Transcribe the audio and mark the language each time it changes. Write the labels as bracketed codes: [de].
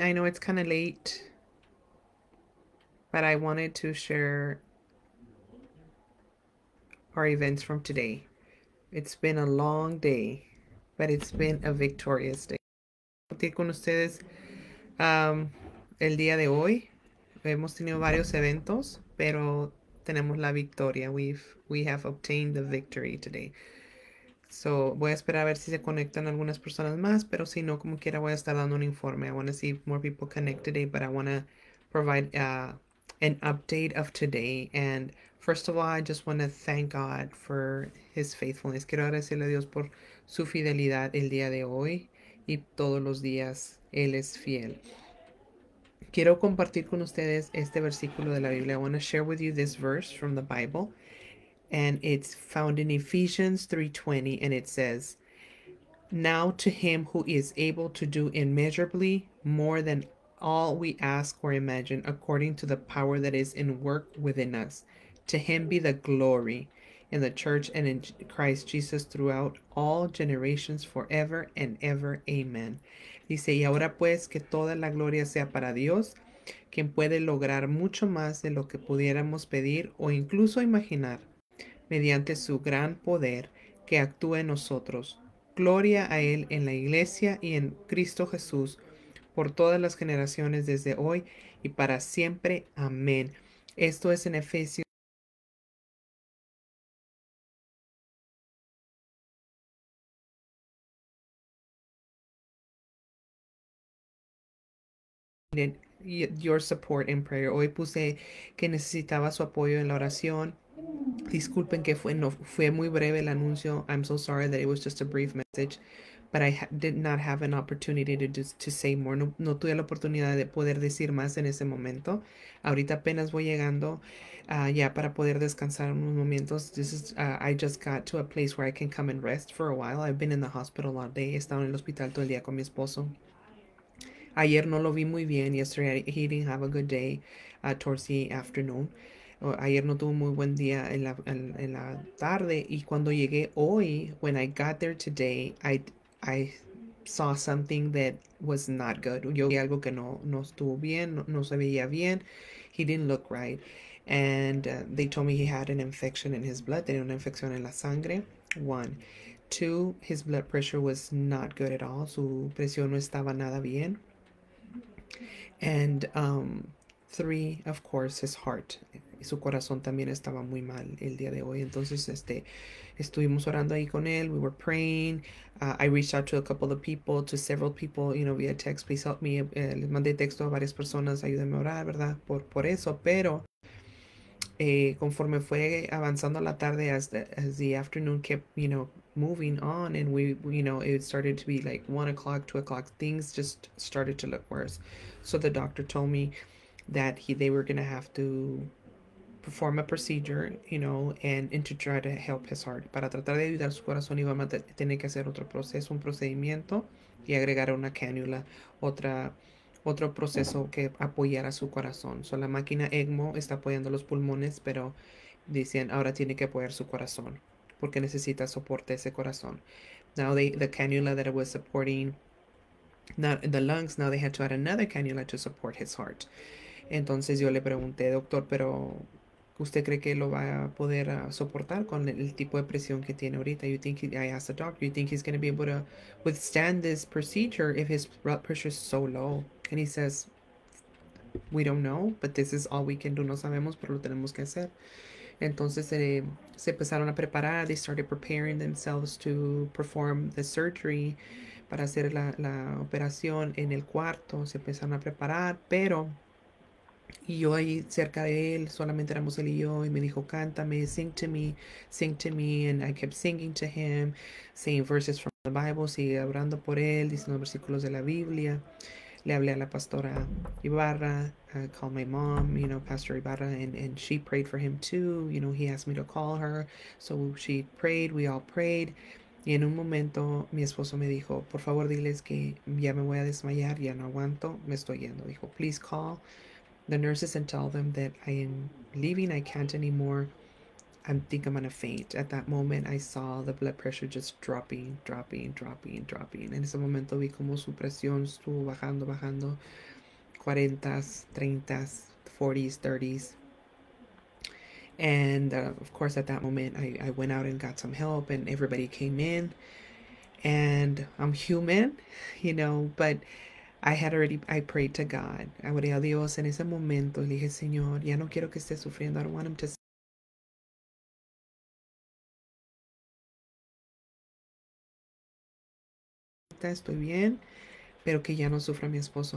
[en] I know it's kind of late, but I wanted to share our events from today. It's been a long day, but it's been a victorious day. [es] Compartir con ustedes el día de hoy. Hemos tenido varios eventos, pero tenemos la victoria. [en] We have obtained the victory today. So, [es] voy a esperar a ver si se conectan algunas personas más, pero si no, como quiera, voy a estar dando un informe. [en] I want to see if more people connect today, but I want to provide an update of today. And first of all, I just want to thank God for his faithfulness. [es] Quiero agradecerle a Dios por su fidelidad el día de hoy y todos los días. Él es fiel. Quiero compartir con ustedes este versículo de la Biblia. [en] I want to share with you this verse from the Bible. And it's found in Ephesians 3:20, and it says, "Now to him who is able to do immeasurably more than all we ask or imagine, according to the power that is in work within us, to him be the glory in the church and in Christ Jesus throughout all generations, forever and ever. Amen." [es] Dice, y ahora pues que toda la gloria sea para Dios, quien puede lograr mucho más de lo que pudiéramos pedir o incluso imaginar, mediante su gran poder que actúa en nosotros. Gloria a Él en la Iglesia y en Cristo Jesús por todas las generaciones desde hoy y para siempre. Amén. Esto es en Efesios. [en] Your support in prayer. [es] Hoy puse que necesitaba su apoyo en la oración. Disculpen que fue, no, fue muy breve el anuncio. [en] I'm so sorry that it was just a brief message, but I did not have an opportunity to just to say more. [es] No, no tuve la oportunidad de poder decir más en ese momento. Ahorita apenas voy llegando ya para poder descansar unos momentos. [en] I just got to a place where I can come and rest for a while. I've been in the hospital all day. [es] He estado en el hospital todo el día con mi esposo. Ayer no lo vi muy bien. [en] Yesterday he didn't have a good day towards the afternoon. [es] Ayer no tuve un muy buen día en la tarde, y cuando llegué hoy, [en] when I got there today, I saw something that was not good. [es] Yo vi algo que no estuvo bien, no se veía bien. [en] He didn't look right. And they told me he had an infection in his blood. [es] Tenía una infección en la sangre. [en] One. Two, his blood pressure was not good at all. [es] Su presión no estaba nada bien. [en] And three, of course, his heart. [es] Su corazón también estaba muy mal el día de hoy. Entonces, estuvimos orando ahí con él. [en] We were praying. I reached out to a couple of people, to several people, you know, via text. Please help me. [es] Les mandé texto a varias personas. Ayúdenme a orar, ¿verdad? Por eso. Pero conforme fue avanzando la tarde, [en] as the afternoon kept, you know, moving on, and you know, it started to be like 1 o'clock, 2 o'clock. Things just started to look worse. So the doctor told me that they were going to have to perform a procedure, you know, and to try to help his heart. [es] Para tratar de ayudar su corazón, iba a tener que hacer otro proceso, un procedimiento, y agregar una cánula, otro proceso que apoyara su corazón. So, la máquina ECMO está apoyando los pulmones, pero dicen ahora tiene que apoyar su corazón, porque necesita soporte ese corazón. [en] Now, the cannula that it was supporting, not the lungs, now they had to add another cannula to support his heart. [es] Entonces yo le pregunté, doctor, pero ¿usted cree que lo va a poder soportar con el tipo de presión que tiene ahorita? [en] I asked the doctor, you think he's going to be able to withstand this procedure if his blood pressure is so low? And he says, we don't know, but this is all we can do. [es] No sabemos, pero lo tenemos que hacer. Entonces se empezaron a preparar. [en] They started preparing themselves to perform the surgery, [es] para hacer la operación en el cuarto. Se empezaron a preparar, pero y yo ahí cerca de él, solamente éramos él y yo, y me dijo, cántame, [en] sing to me, and I kept singing to him, saying verses from the Bible, [es] sigue orando por él, diciendo versículos de la Biblia. Le hablé a la pastora Ibarra, [en] I called my mom, you know, Pastor Ibarra, and she prayed for him too, you know, he asked me to call her, so she prayed, we all prayed. [es] Y en un momento mi esposo me dijo, por favor diles que ya me voy a desmayar, ya no aguanto, me estoy yendo. [en] Dijo, please call the nurses and tell them that I am leaving, I can't anymore. I'm think I'm gonna faint. At that moment, I saw the blood pressure just dropping, dropping, dropping, dropping. [es] En ese momento vi como su presión estuvo bajando, bajando. [en] 40s, 30s, 40s, 30s. And of course, at that moment, I went out and got some help, and everybody came in. And I'm human, you know, but I had already, I prayed to God. [es] I oré a Dios en ese momento. Le dije, Señor, ya no quiero que esté sufriendo. [en] I don't want him to. [es] Estoy bien, pero que ya no sufra mi esposo.